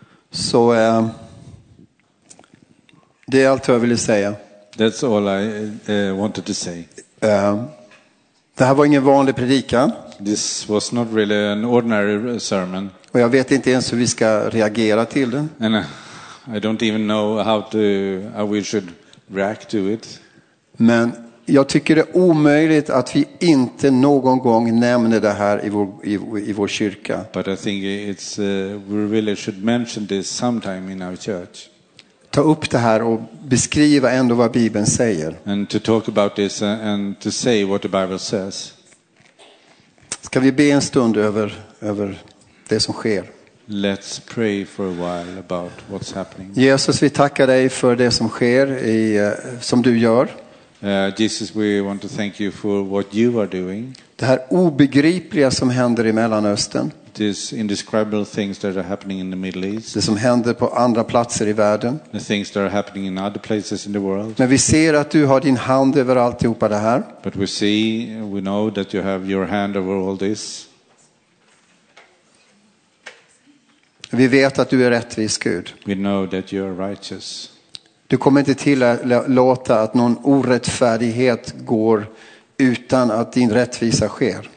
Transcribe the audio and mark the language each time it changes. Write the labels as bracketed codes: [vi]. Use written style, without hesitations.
[sv] Så det är allt jag ville säga. [en] That's all I wanted to say. [sv] Det här var ingen vanlig predikan. [en] This was not really an ordinary sermon. [sv] Och jag vet inte ens hur vi ska reagera till den. [en] And I don't even know how we should react to it. [sv] Men jag tycker det är omöjligt att vi inte någon gång nämner det här i vår kyrka. [en] But I think it's we really should mention this sometime in our church. [sv] Ta upp det här och beskriva ändå vad Bibeln säger. [en] And to talk about this and to say what the Bible says. [sv] Ska vi be en stund över det som sker? [en] Let's pray for a while about what's happening. [sv] Jesus, vi tackar dig för det som sker som du gör. [en] Jesus, we want to thank you for what you are doing. [sv] Det här obegripliga som händer i Mellanöstern. [en] These indescribable things that are happening in the Middle East. [sv] Det som händer på andra platser i världen. [en] The things that are happening in other places in the world. [sv] Men vi ser att du har din hand över alltihopa det här. [en] But we know that you have your hand over all this. [sv] Vi vet att du är rättvis Gud. [en] We know that you are righteous. [sv] Du kommer inte till att låta att någon orättfärdighet går utan att din rättvisa sker.